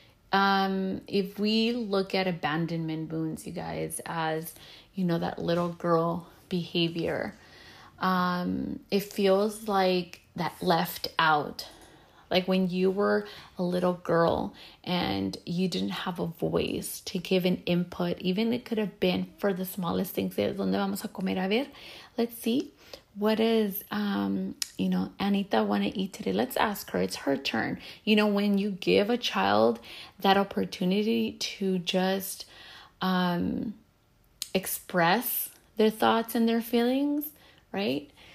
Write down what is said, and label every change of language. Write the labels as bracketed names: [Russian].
[English] If we look at abandonment wounds, you guys, as you know, that little girl behavior, it feels like that left out, like when you were a little girl and you didn't have a voice to give an input, even it could have been for the smallest things. [Spanish] ¿Dónde vamos a comer? A ver, [English] let's see. What is, you know, Anita want to eat today? Let's ask her. It's her turn. You know, when you give a child that opportunity to just express their thoughts and their feelings, right?